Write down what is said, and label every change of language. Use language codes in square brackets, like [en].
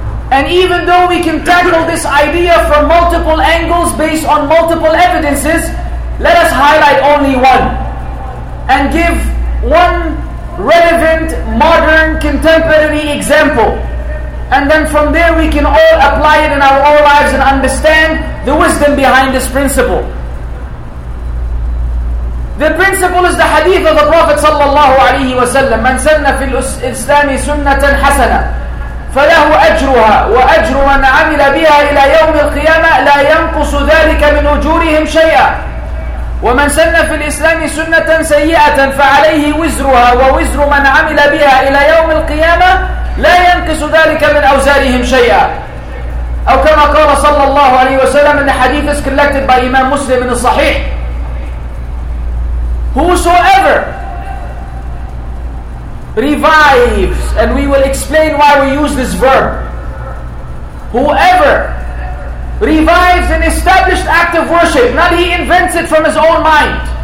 [en] And even though we can tackle this idea from multiple angles based on multiple evidences, let us highlight only one and give one relevant, modern, contemporary example. And then from there we can all apply it in our own lives and understand the wisdom behind this principle. The principle is the hadith of the Prophet sallallahu alaihi wasallam: [ar] من سن في الإسلام سنة حسنة فَلَهُ أَجْرُهَا وَأَجْرُ مَنْ عَمِلَ بِهَا إِلَى يَوْمِ الْقِيَامَةِ لَا يَنْقُصُ ذَلِكَ مِنْ أُجُورِهِمْ شَيْئًا وَمَنْ سَنَّ فِي الْإِسْلَامِ سُنَّةً سَيِّئَةً فَعَلَيْهِ وِزْرُهَا وَوِزْرُ مَنْ عَمِلَ بِهَا إِلَى يَوْمِ الْقِيَامَةِ لَا يَنْقُصُ ذَلِكَ مِنْ أَوْزَارِهِمْ شَيْئًا. أو كما قال صلى الله عليه وسلم [en] in the hadith is collected by Imam Muslim in the Sahih: whosoever revives, and we will explain why we use this verb, whoever revives an established act of worship, not he invents it from his own mind,